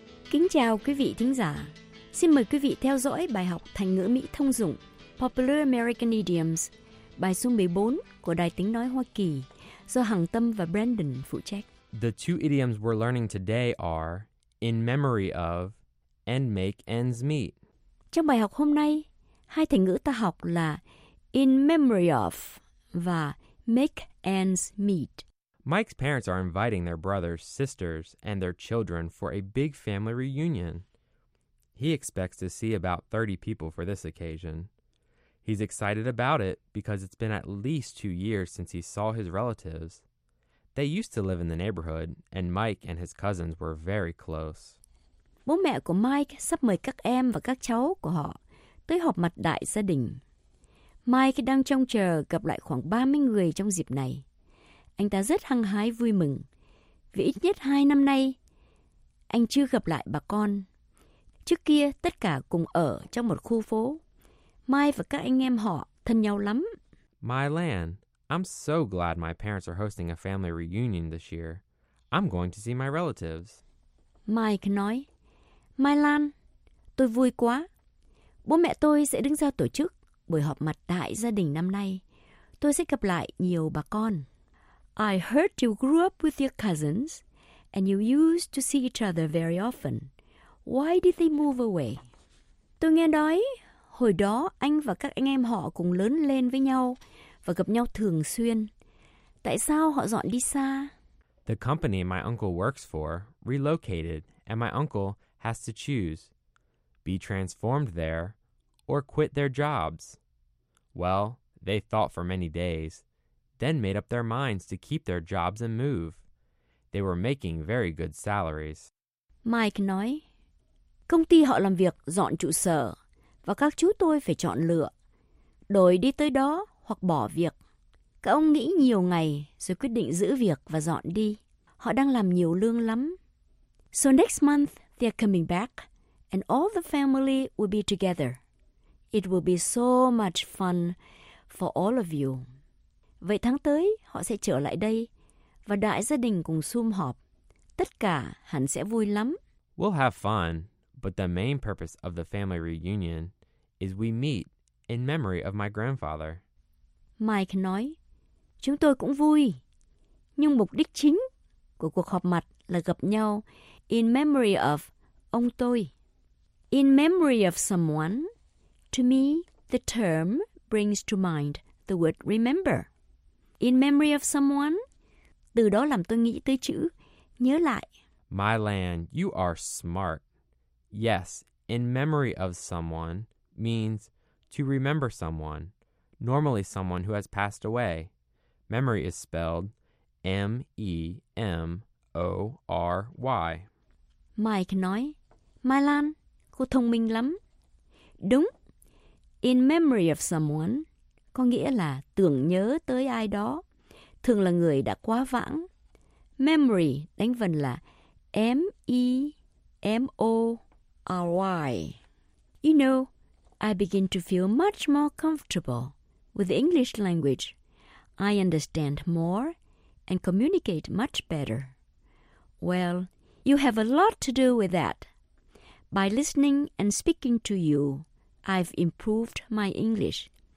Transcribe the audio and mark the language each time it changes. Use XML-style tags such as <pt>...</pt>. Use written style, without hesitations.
<vi>Kính chào quý vị thính giả. Xin mời quý vị theo dõi bài học thành ngữ Mỹ thông dụng</vi> <en>Popular American Idioms,</en> <vi>bài số 14 của Đài Tiếng Nói Hoa Kỳ, do Hằng Tâm và Brandon phụ trách.</vi> <en>The two idioms we're learning today are in memory of and make ends meet.</en> <vi>Trong bài học hôm nay, hai thành ngữ ta học là</vi> <en>in memory of</en> <vi>và</vi> <en>make ends meet. Mike's parents are inviting their brothers, sisters, and their children for a big family reunion. He expects to see about 30 people for this occasion. He's excited about it because it's been at least 2 years since he saw his relatives. They used to live in the neighborhood, and Mike and his cousins were very close.</en> <vi>Bố mẹ của Mike sắp mời các em và các cháu của họ tới họp mặt đại gia đình. Mike đang trông chờ gặp lại khoảng 30 người trong dịp này. Anh ta rất hăng hái vui mừng, vì ít nhất 2 năm nay, anh chưa gặp lại bà con. Trước kia, tất cả cùng ở trong một khu phố. Mai và các anh em họ thân nhau lắm.</vi> <en>My land, I'm so glad my parents are hosting a family reunion this year. I'm going to see my relatives.</en> <vi>Mike nói,</vi> <en>My land,</en> <vi>tôi vui quá. Bố mẹ tôi sẽ đứng ra tổ chức buổi họp mặt đại gia đình năm nay. Tôi sẽ gặp lại nhiều bà con.</vi> <en>I heard you grew up with your cousins and you used to see each other very often. Why did they move away?</en> <vi>Tôi nghe nói, hồi đó, anh và các anh em họ cùng lớn lên với nhau và gặp nhau thường xuyên. Tại sao họ dọn đi xa?</vi> <en>The company my uncle works for relocated and my uncle has to choose. be transformed there, or quit their jobs. Well, they thought for many days, then made up their minds to keep their jobs and move. They were making very good salaries.</en> <vi>Mike nói, công ty họ làm việc dọn trụ sở, và các chú tôi phải chọn lựa, đổi đi tới đó hoặc bỏ việc. Các ông nghĩ nhiều ngày rồi quyết định giữ việc và dọn đi. Họ đang làm nhiều lương lắm.</vi> <en>So next month, they're coming back, and all the family will be together. It will be so much fun for all of you.</en> <vi>Vậy tháng tới, họ sẽ trở lại đây, và đại gia đình cùng sum họp. Tất cả hẳn sẽ vui lắm.</vi> <en>We'll have fun, but the main purpose of the family reunion is we meet in memory of my grandfather.</en> <vi>Mike nói, chúng tôi cũng vui, nhưng mục đích chính của cuộc họp mặt là gặp nhau</vi> <en>in memory of</en> <vi>ông tôi.</vi> <en>In memory of someone, to me, the term brings to mind the word remember. In memory of someone,</en> <vi>từ đó làm tôi nghĩ tới chữ nhớ lại.</vi> <en>My Lan, you are smart. Yes, in memory of someone means to remember someone, normally someone who has passed away. Memory is spelled M-E-M-O-R-Y.</en> <vi>Mike nói, Mai Lan, cô thông minh lắm. Đúng,</vi> <en>in memory of someone</en> <vi>có nghĩa là tưởng nhớ tới ai đó, thường là người đã quá vãng. Memory đánh vần là M-E-M-O-R-Y.</vi> <en>You know, I begin to feel much more comfortable with the English language. I understand more and communicate much better. Well, you have a lot to do with that. By listening and speaking to you, I've improved my English.</en>